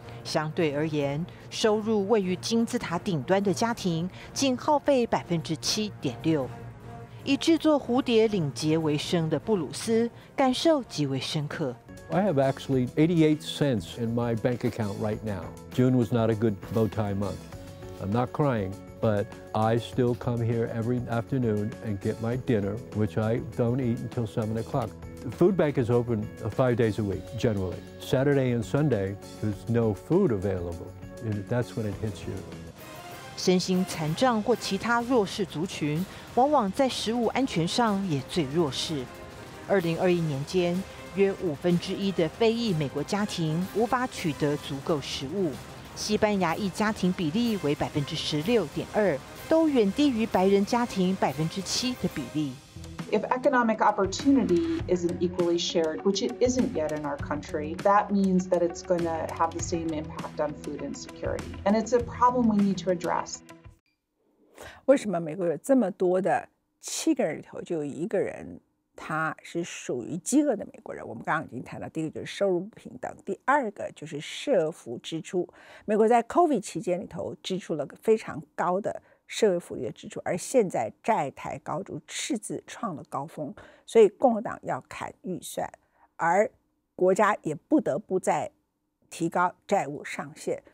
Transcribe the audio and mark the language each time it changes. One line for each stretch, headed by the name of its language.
Chinese: 相对而言，收入位于金字塔顶端的家庭，仅耗费7.6%。以制作蝴蝶领结为生的布鲁斯，感受极为深刻。
English: I have actually 88 cents in my bank account right now. June was not a good bow tie month. I'm not crying. But I still come here every afternoon and get my dinner, which I don't eat until 7 o'clock. The food bank is open 5 days a week, generally. Saturday and Sunday, there's no food available. And that's when it hits you.
Chinese: 身心残障或其他弱势族群，往往在食物安全上也最弱势。 2021年间，约1/5的非裔美国家庭无法取得足够食物。西班牙裔家庭比例为16.2%，都远低于白人家庭7%的比例。
English: If economic opportunity isn't equally shared, which it isn't yet in our country, that means that it's going to have the same impact on food insecurity, and it's a problem we need to address.
Chinese: 为什么美国有这么多的7个人里头就有1个人，他是属于饥饿的美国人。我们刚刚已经谈到，第一个就是收入不平等，第二个就是社福支出。美国在 COVID 期间里头支出了非常高的社会福利的支出，而现在债台高筑，赤字创了高峰，所以共和党要砍预算，而国家也不得不再提高债务上限。